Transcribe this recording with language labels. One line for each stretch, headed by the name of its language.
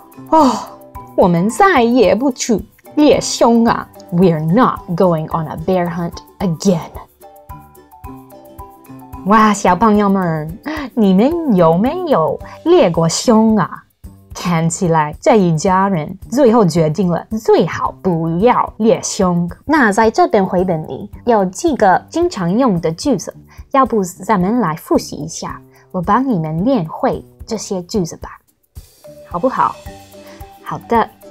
Chinese: 哦，我们再也不去猎熊啊。
English: We're not going on a bear hunt again.
Chinese: 哇，小朋友们，你们有没有猎过熊啊？看起来这一家人最后决定了，最好不要猎熊。那在这本绘本里有几个经常用的句子，要不咱们来复习一下，我帮你们练会这些句子吧，好不好？好的。